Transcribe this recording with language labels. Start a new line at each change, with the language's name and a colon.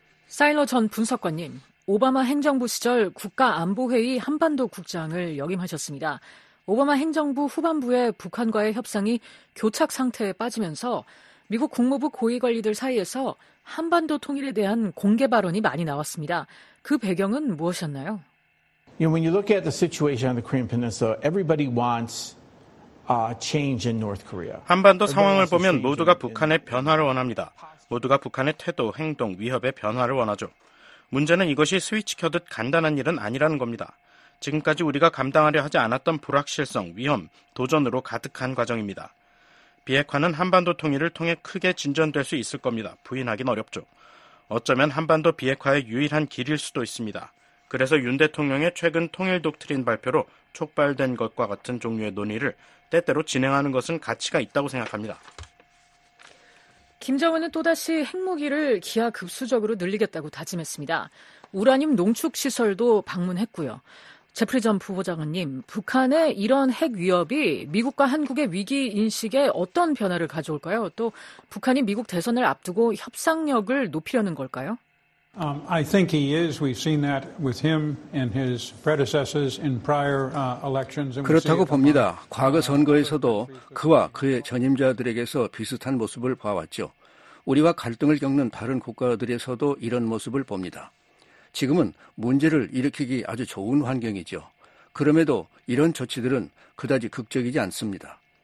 Korean: 사일러 전 분석관님, 오바마 행정부 시절 국가안보회의 한반도 국장을 역임하셨습니다. 오바마 행정부 후반부에 북한과의 협상이 교착 상태에 빠지면서 미국 국무부 고위 관리들 사이에서 한반도 통일에 대한 공개 발언이 많이 나왔습니다. 그 배경은 무엇이었나요?
English: When you look at the situation on the Korean Peninsula, everybody wants change in North Korea.
Korean: 한반도 상황을 보면 모두가 북한의 변화를 원합니다. 모두가 북한의 태도, 행동, 위협의 변화를 원하죠. 문제는 이것이 스위치 켜듯 간단한 일은 아니라는 겁니다. 지금까지 우리가 감당하려 하지 않았던 불확실성, 위험, 도전으로 가득한 과정입니다. 비핵화는 한반도 통일을 통해 크게 진전될 수 있을 겁니다. 부인하긴 어렵죠. 어쩌면 한반도 비핵화의 유일한 길일 수도 있습니다. 그래서 윤 대통령의 최근 통일 독트린 발표로 촉발된 것과 같은 종류의 논의를 때때로 진행하는 것은 가치가 있다고 생각합니다. 김정은은 또다시 핵무기를 기하급수적으로 늘리겠다고 다짐했습니다. 우라늄 농축시설도 방문했고요. 제프리 전 부보장관님, 북한의 이런 핵 위협이 미국과 한국의 위기 인식에 어떤 변화를 가져올까요? 또 북한이 미국 대선을 앞두고 협상력을 높이려는 걸까요?
English: I think he is. We've seen that with him and his predecessors in prior elections.
Korean: 그렇다고 봅니다. 과거 선거에서도 그와 그의 전임자들에게서 비슷한 모습을 봐왔죠. 우리와 갈등을 겪는 다른 국가들에서도 이런 모습을 봅니다. 지금은 문제를 일으키기 아주 좋은 환경이죠. 그럼에도 이런 조치들은 그다지 극적이지 않습니다.